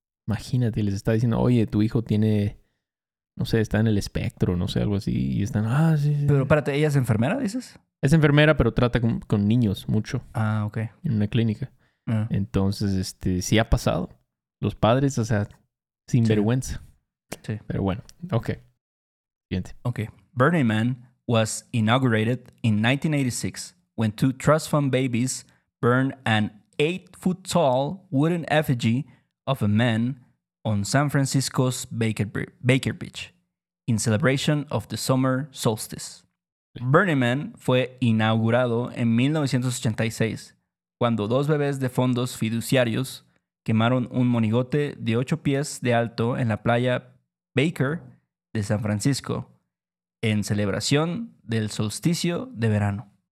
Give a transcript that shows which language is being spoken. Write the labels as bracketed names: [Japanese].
[Spanish] Imagínate, les está diciendo, oye, tu hijo tiene... No sé, está en el espectro, no sé, algo así. Y están, ah, sí, sí. Pero espérate, ¿ella es enfermera, dices? Es enfermera, pero trata con niños mucho. Ah, ok. En una clínica. Entonces, sí ha pasado. Los padres, o sea, sin vergüenza. Sí. Pero bueno, ok. Siguiente. Ok. [English] Burning Man was inaugurated in 1986 when two trust fund babies burned an 8-foot-tall wooden effigy of a man on San Francisco's Baker Beach in celebration of the summer solstice. [Spanish] Burning Man fue inaugurado en 1986, cuando dos bebés de fondos fiduciarios quemaron un monigote de 8 pies de alto en la playa Baker de San Francisco en celebración del solsticio de verano.